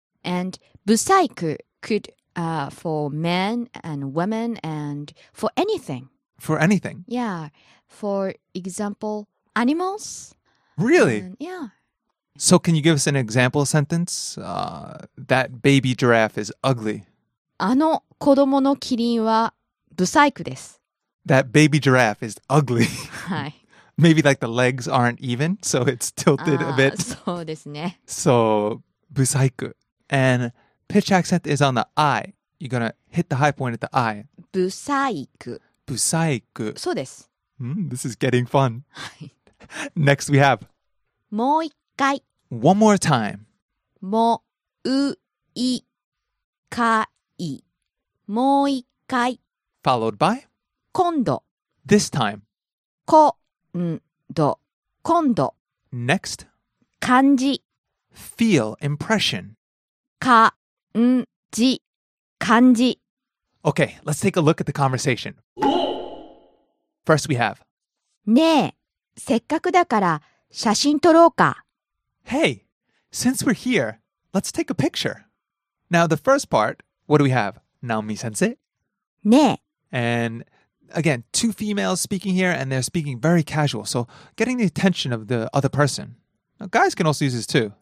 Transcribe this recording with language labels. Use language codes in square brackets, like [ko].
[en] And busaiku could for men and women and for anything. For anything? Yeah. For example, animals. Really? Yeah. So can you give us an example sentence? That baby giraffe is ugly. [ja] あの子供のキリンはブサイクです。 [en] That baby giraffe is ugly. [ja] はい。 [en] Maybe like the legs aren't even, so it's tilted a bit. [ja] そうですね。 [en] So, ブサイク。And pitch accent is on the I. You're gonna hit the high point at the I. [ja] ブサイク。ブサイク。そうです。 [en] This is getting fun. [ja] はい。 [en] Next we have... [ja] もう一回。 [en] One more time. [ja] もう一回。もう一回。 [en] Followed by? [ja] 今度。 [en] This time. [ja] 今度。今度。 [en] Next. [ja] 感じ。 [en] Feel, impression. [ja] 感じ。感じ。 [en] Okay, let's take a look at the conversation. First we have. [ja] ねえ、せっかくだから写真撮ろうか。 [en] Hey, since we're here, let's take a picture. Now, the first part, what do we have? Naomi-sensei? [ja] ねえ。 [en] And again, two females speaking here, and they're speaking very casual. So, getting the attention of the other person. Now, guys can also use this too.